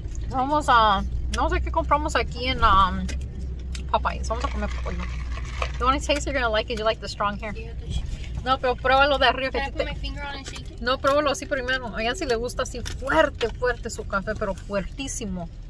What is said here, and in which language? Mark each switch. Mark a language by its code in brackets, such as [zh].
[es] Vamos a, no sé qué compramos aquí en Popeyes. Vamos a comer pollo. [en] You want to taste it, you're going to like it. You like the strong hair. [es] No, pero pruébalo de arriba. [en] Can I put my finger on and shake it? [es] No, pruébalo así primero. A Yancy le gusta así fuerte, fuerte su café, pero fuertísimo.